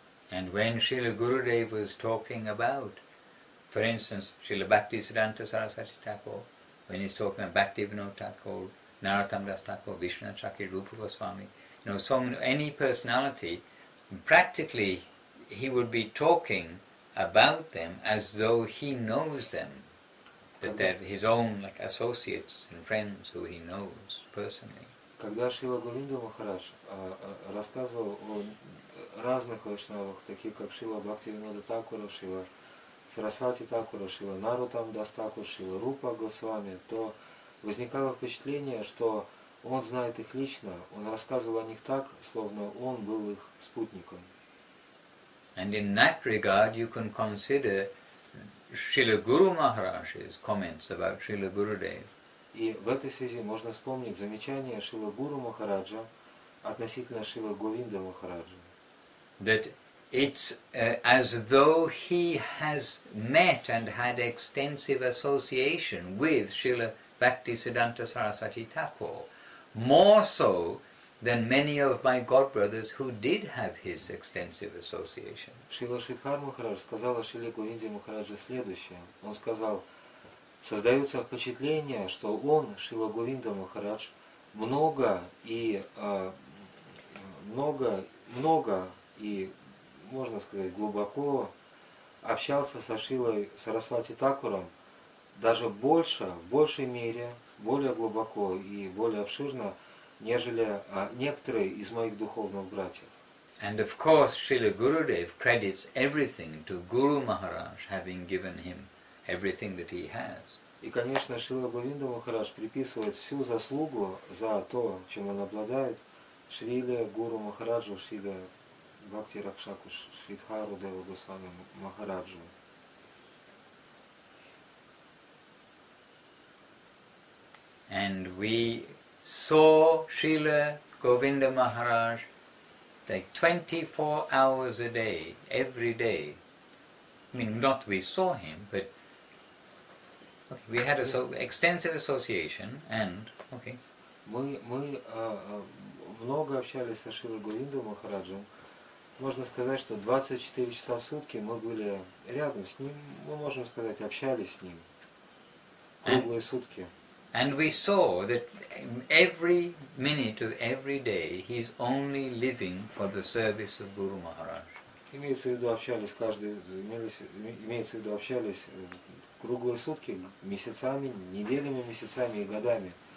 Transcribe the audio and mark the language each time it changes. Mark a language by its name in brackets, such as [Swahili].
[English] And when Srila Gurudev was talking about, for instance, Srila Bhakti Siddhanta Sarasvati Thakur, when he's talking about Bhaktivinoda Thakur, Narottam Das Thakur, Vishwanatha Chakri, Rupa Goswami, you know, so any personality, practically he would be talking about them as though he knows them, that they're his own like associates and friends who he knows personally. [Russian] Когда Шрила Говинда Махарадж рассказывал о разных вайшнавах, таких как Шрила Бхактивинода Такур, Шрила Сарасвати Такура, Шрила Нарутам Дас Такур, Шрила Рупа Госвами, то возникало впечатление, что он знает их лично, он рассказывал о них так, словно он был их спутником. [English] And in that regard you can consider Srila Guru Maharaj's comments about Srila Gurudev. [Russian] И в этой связи можно вспомнить замечание Шрилы Гуру Махараджа относительно Шрилы Говинда Махараджа. [English] That it's as though he has met and had extensive association with Srila Bhaktisiddhanta Sarasvati Thakur, more so than many of my godbrothers who did have his extensive association. [Russian] Шрила Шридхар Махарадж сказал о Шриле Говинде Махарадже следующее. Он сказал, создается впечатление, что он, Шрила Говинда Махарадж, много и можно сказать, глубоко общался со Шрилой Сарасвати Такуром, даже больше, в большей мере, более глубоко и более обширно, нежели некоторые из моих духовных братьев. [English] And of course, Srila Gurudev credits everything to Guru Maharaj, having given him everything that he has. [Russian] И, конечно, Шрила Говинда Махарадж приписывает всю заслугу за то, чем он обладает, Шриле Гуру Махараджу, Шриле Бхакти Ракшаку, Шридхару Деву Госвами Махараджу. [English] And we saw Srila Govinda Maharaj like 24 hours a day, every day. I mean, not we saw him, but okay, we had extensive association and okay. [Russian] Мы много общались со Шрилой Говиндой Махараджем. Можно сказать, что 24 часа в сутки мы были рядом с ним. Мы можем сказать, общались с ним круглые сутки. [English] And we saw that every minute of every day he's only living for the service of Guru Maharaj. [Russian] Имеется в виду общались общались круглые сутки, месяцами, неделями, месяцами и годами.